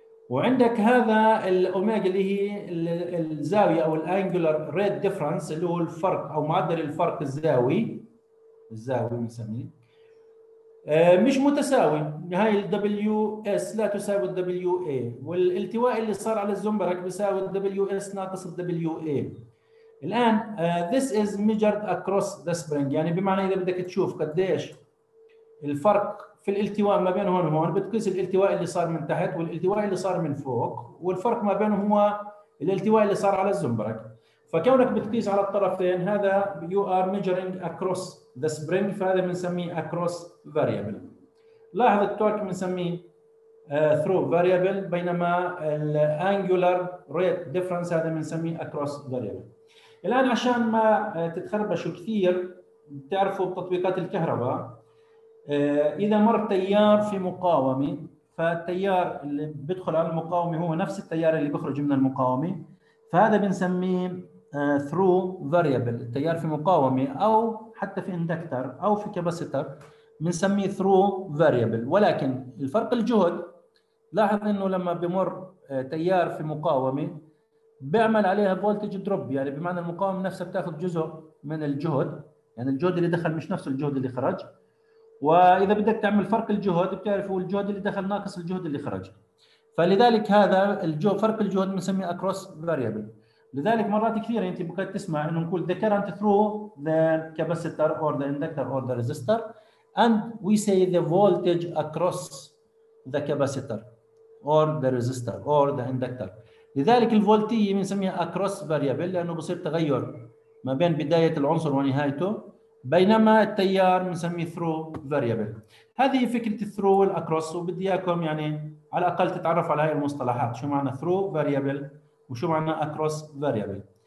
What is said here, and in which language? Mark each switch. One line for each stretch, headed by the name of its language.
Arabic: وعندك هذا الأوميجا اللي هي الزاوية أو الأنجولار ريت ديفرنس اللي هو الفرق أو معدل الفرق الزاوي، الزاوي بنسميه مش متساوي، هاي الـ WS لا تساوي الـ WA، والالتواء اللي صار على الزومبرك بيساوي الـ WS ناقص الـ WA. الآن
English: this is measured across the spring،
Arabic: يعني بمعنى إذا بدك تشوف قديش الفرق في الالتواء ما بين هون وهون، بتقيس الالتواء اللي صار من تحت والالتواء اللي صار من فوق، والفرق ما بينهم هو الالتواء اللي صار على الزمبرك. فكونك بتقيس على الطرفين هذا
English: you are measuring across the spring،
Arabic: فهذا بنسميه across variable. لاحظ التورك بنسميه through variable، بينما الانجولار ريت ديفرنس هذا بنسميه across variable. الآن عشان ما تتخربشوا كثير، بتعرفوا بتطبيقات الكهرباء إذا مر تيار في مقاومة، فالتيار اللي بيدخل على المقاومة هو نفس التيار اللي بيخرج من المقاومة، فهذا بنسميه through variable. التيار في مقاومة أو حتى في إندكتر أو في كاباسيتر بنسميه through variable. ولكن الفرق الجهد، لاحظ أنه لما بمر تيار في مقاومة بيعمل عليها فولتج دروب، يعني بمعنى المقاومة نفسها بتاخذ جزء من الجهد، يعني الجهد اللي دخل مش نفس الجهد اللي خرج. وإذا بدك تعمل فرق الجهد بتعرف هو الجهد اللي دخل ناقص الجهد اللي خرج، فلذلك هذا الجهد، فرق الجهد بنسميه across variable. لذلك مرات كثيرة أنت ممكن تسمع أنه نقول
English: the current through the capacitor or the inductor or the resistor and we say the voltage across the capacitor or the resistor or the inductor.
Arabic: لذلك الفولتية بنسميها across variable لأنه بصير تغير ما بين بداية العنصر ونهايته، بينما التيار بنسميه ثرو فاريبل. هذه فكره الثرو والاكروس، وبدي اياكم يعني على الاقل تتعرف على هاي المصطلحات، شو معنى ثرو فاريبل وشو معنى اكروس فاريبل.